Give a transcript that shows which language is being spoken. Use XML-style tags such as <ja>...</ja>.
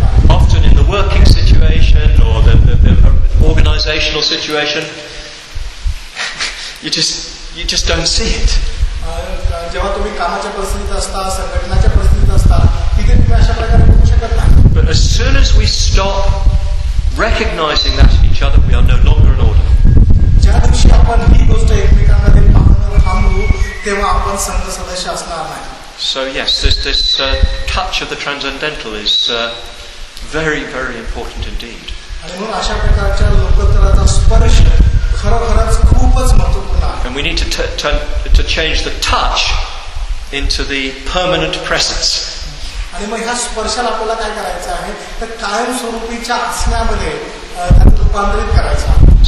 <en>Often in the working situation or the organizational situation, you just don't see it.</en> <mr>जेव्हा तुम्ही कामाच्या परिस्थितीत असता, संघटनाच्या परिस्थितीत असता, तिथे तुम्ही अशा प्रकारे बघू शकत नाही.</mr> <en>But as soon as we stop recognizing that in each other, we are no longer in order.</en> <mr>ज्या दिवशी आपण ही गोष्ट एकमेकांमध्ये पाहणं थांबवू तेव्हा आपण संघ सदस्य असणार नाही.</mr> <en>So yes, this touch of the transcendental is very, very important indeed.</en> <mr>आणि म्हणून अशा प्रकारच्या लोकतराचा स्पर्श खरोखरच खूपच महत्वपूर्ण आहे.</mr> <en>And we need to change the touch into the permanent presence.</en> <mr>आणि मग ह्या स्पर्शाला आपल्याला काय करायचं आहे तर कायमस्वरूपीच्या असण्यामध्ये त्यात रूपांतरित करायचं.</mr>